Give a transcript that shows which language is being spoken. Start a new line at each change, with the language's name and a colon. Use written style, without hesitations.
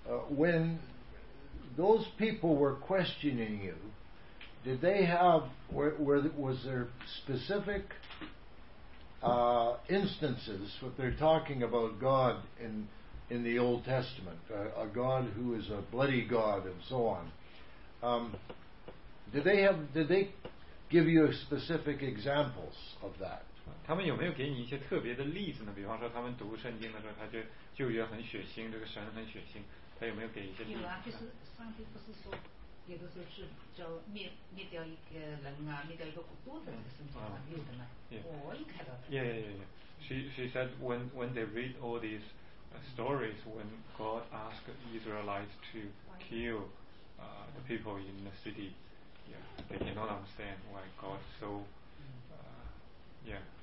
English: When those people were questioning you, did they have, was there specific instances what they're talking about God in the Old Testament, a God who is a bloody God and so on? Did they give you specific examples of that?
Chinese: 他们有没有给你一些特别的例子呢？比方说，他们读圣经的时候，他就旧约很血腥，这个神很血腥，他有没有给一些例子？有啊，就是上帝不是说，有的时候是叫灭掉一个人啊，灭掉一个国的圣经上有的吗？
English: Yeah.
Chinese: 我一看到的。
English: She said when they read all these stories, when God asked Israelites to kill the people in the city, yeah, they cannot understand why God so. Yeah.